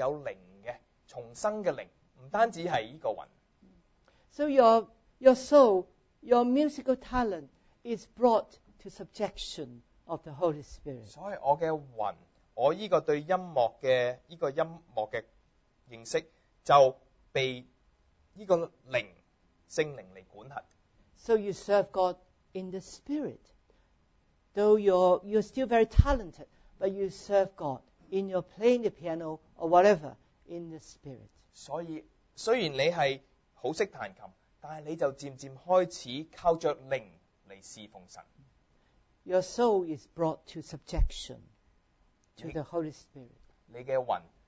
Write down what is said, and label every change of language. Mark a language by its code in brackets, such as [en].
[zh] 慢慢的你就渐渐开始发觉到，里面原来是有灵的，重生的灵。不单止是这个魂。 [en] So your soul, your musical talent is brought to subjection of the Holy Spirit. [zh] 所以我的魂，我这个对音乐的认识， 就被这个灵，圣灵来管辖。 [en] So you serve God in the Spirit. Though you're still very talented, but you serve God in your playing the piano or whatever in the Spirit. [zh] 所以 虽然你是很懂弹琴，但你就渐渐开始靠着灵来侍奉神。 [en] Your soul is brought to subjection to the Holy Spirit.